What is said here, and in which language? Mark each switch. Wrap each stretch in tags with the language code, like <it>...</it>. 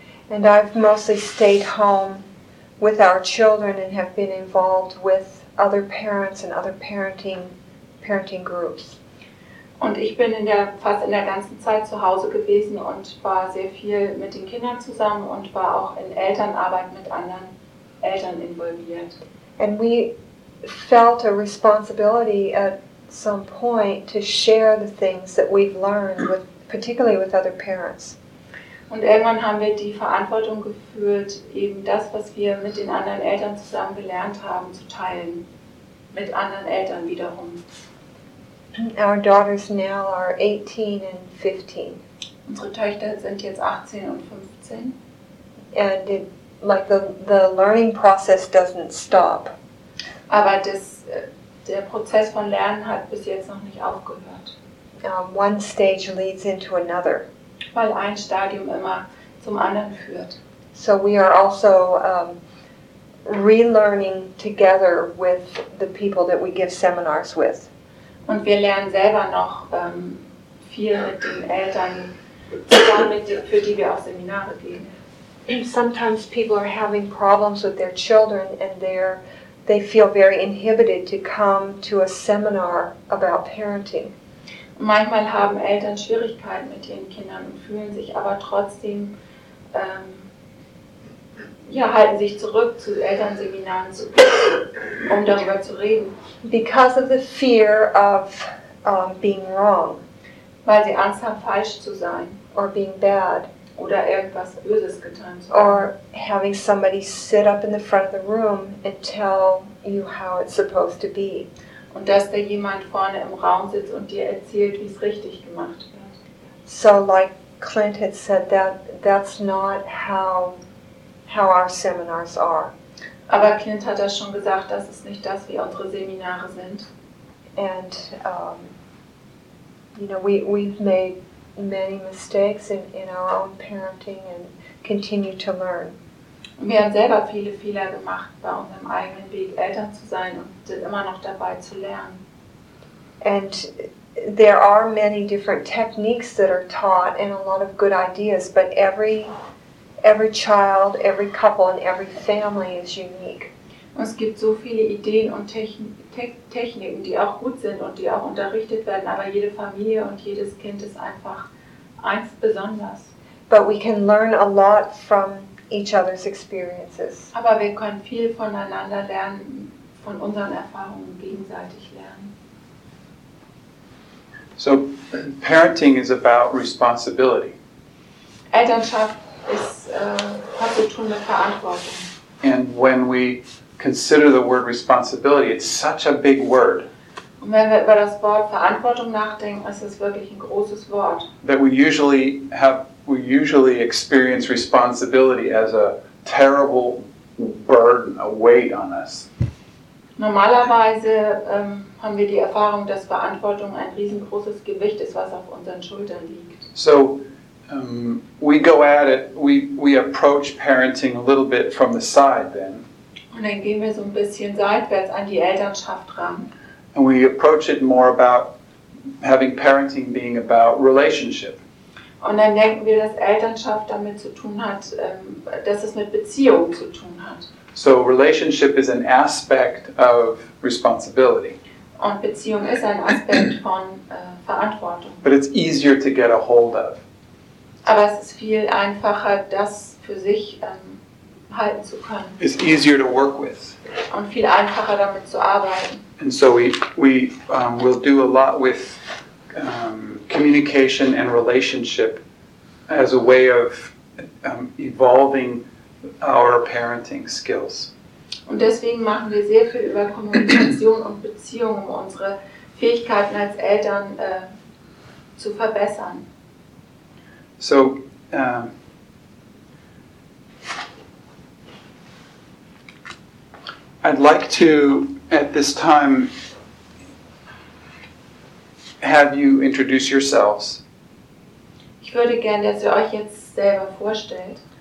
<en>And I've mostly stayed home with our children and have been involved with other parents and other parenting groups.</en> <de>Und ich bin fast in der ganzen Zeit zu Hause gewesen und war sehr viel mit den Kindern zusammen und war auch in Elternarbeit mit anderen Eltern involviert.</de> <en>And we felt a responsibility at some point to share the things that we've learned with, particularly with other parents.</en> <de>Und irgendwann haben wir die Verantwortung gefühlt, eben das, was wir mit den anderen Eltern zusammen gelernt haben, zu teilen, mit anderen Eltern wiederum.</de> <en>Our daughters now are 18 and 15.</en> <de>Unsere Töchter sind jetzt 18 und 15.</de> <en>And it, like the learning process doesn't stop.</en> <de>Aber das, der Prozess von Lernen hat bis jetzt noch nicht aufgehört.</de> <en>One stage leads into another.</en> <de>Weil ein Stadium immer zum anderen führt.</de> <en>So we are also relearning together with the people that we give seminars with.</en> <de>Und wir lernen selber noch viel mit den Eltern zusammen, für die wir auch Seminare geben.</de> <en>Sometimes people are having problems with their children and they feel very inhibited to come to a seminar about parenting.</en> <de>Manchmal haben Eltern Schwierigkeiten mit ihren Kindern und fühlen sich aber trotzdem halten sich zurück, zu Elternseminaren zu kommen, um darüber zu reden.</de> <en>Because of the fear of being wrong.</en> <de>Weil sie Angst haben, falsch zu sein.</de> <en>Or being bad.</en> <de>Oder irgendwas Böses getan zu haben.</de> <en>Or having somebody sit up in the front of the room and tell you how it's supposed to be.</en> <de>Und dass da jemand vorne im Raum sitzt und dir erzählt, wie es richtig gemacht wird.</de> <en>So like Clint had said, that's not how our seminars are.</en> <de>Aber Clint hat das schon gesagt, das ist nicht das, wie unsere Seminare sind.</de> <en>And, you know, we've made many mistakes in our own parenting and continue to learn.</en> <de>Wir haben selber viele Fehler gemacht bei unserem eigenen Weg, Eltern zu sein und sind immer noch dabei zu lernen.</de> <en>And there are many different techniques that are taught and a lot of good ideas, but every child, every couple and every family is unique.</en> <de>Und es gibt so viele Ideen und Techniken, die auch gut sind und die auch unterrichtet werden, aber jede Familie und jedes Kind ist einfach eins besonders.</de> <en>But we can learn a lot from each other's experiences.</en> <de>Aber wir können viel voneinander lernen, von unseren Erfahrungen gegenseitig lernen.</de> <en>So, parenting is about responsibility.</en> <de>Elternschaft ist, hat zu tun mit Verantwortung.</de> <en>And when we consider the word responsibility, it's such a big word.</en> <de>Und wenn wir über das Wort Verantwortung nachdenken, ist es wirklich ein großes Wort.</de> <en>That we usually experience responsibility as a terrible burden, a weight on us.</en> <de>Normalerweise haben wir die Erfahrung, dass Verantwortung ein riesengroßes Gewicht ist, was auf unseren Schultern liegt.</de> <en>So, we go at it, we approach parenting a little bit from the side then.</en> <de>Und dann gehen wir so ein bisschen seitwärts an die Elternschaft ran.</de> <en>And we approach it more about having parenting being about relationship.</en> <de>Und dann denken wir, dass Elternschaft damit zu tun hat, dass es mit Beziehung zu tun hat.</de> <en>So relationship is an aspect of responsibility.</en> <de>Und Beziehung ist ein Aspekt von Verantwortung.</de> <en>But it's easier to get a hold of.</en> <de>Aber es ist viel einfacher, das für sich halten zu können.</de> <en>It's easier to work with.</en> <de>Und viel einfacher, damit zu arbeiten.</de> <en>And so we'll do a lot with communication and relationship as a way of evolving our parenting skills.</en> <de>Und deswegen machen wir sehr viel über Kommunikation und Beziehung, um unsere Fähigkeiten als Eltern zu verbessern.</de> <en>So, I'd like to, at this time, have you introduce yourselves.</en> <de>Ich würde gerne, dass ihr euch jetzt selber vorstellt.</de>